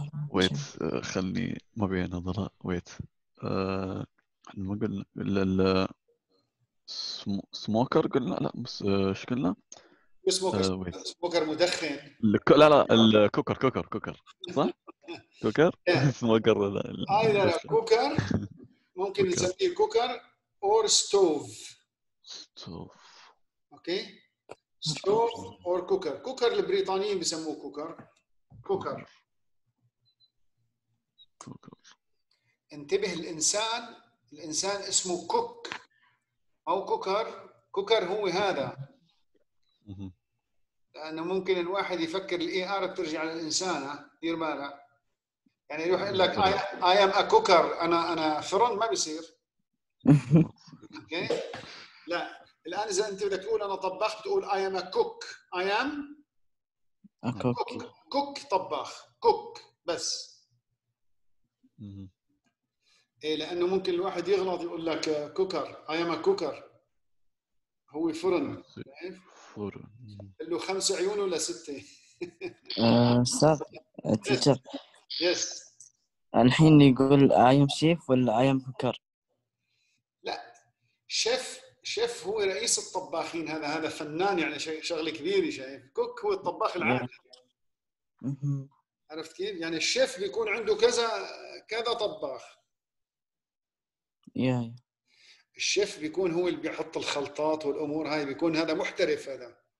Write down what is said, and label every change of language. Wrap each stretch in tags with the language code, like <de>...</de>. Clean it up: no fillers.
<ar>Wait, خلني ما بين نظرة.</ar> <en>Wait.</en> <ar>ما قلنا ال smoker قلنا لا بس شو قلنا؟</ar> <en>Smoker.</en> <ar>Smoker مدخن. لا لا ال cooker صح؟ cooker. Smoker لا.</ar> <en>Either cooker.</en> <ar>ممكن نسميه</ar> <en>cooker or stove. Stove. Okay. Stove or cooker.</en> <ar>Cooker البريطانيين بيسموه cooker.</ar> <en>Cooker. Cooker.</en> <ar>انتبه، الإنسان اسمه cook أو cooker. Cooker هو هذا. لأنه ممكن الواحد يفكر الـ AR بترجع للإنسان، دير بالك. يعني يروح يقول لك</ar> <en>I am a cooker.</en> <ar>أنا فرن، ما بيصير. Okay. لا. الآن إذا أنت بدك تقول أنا طباخ، بتقول</ar> <en>I am a cook. I am a cook.</en> <ar>Cook طباخ. Cook بس. إيه، لأنه ممكن الواحد يغلط يقول لك cooker.</ar> <en>I am a cooker.</en> <ar>هو فرن. فرن. قال له خمس عيون ولا ستة؟ أستاذ تيتشر.</ar> <en>Yes.</en> <ar>الحين يقول</ar> <en>I am chef</en> <ar>ولا</ar> <en>I am cooker؟ لا. Chef.</en> <ar>شيف هو رئيس الطباخين، هذا فنان، يعني شغل كبير. شايف؟ كوك هو الطباخ العادي. عرفت كيف؟ يعني الشيف بيكون عنده كذا طباخ. الشيف بيكون هو اللي بيحط الخلطات والأمور هاي، بيكون هذا محترف هذا.</ar>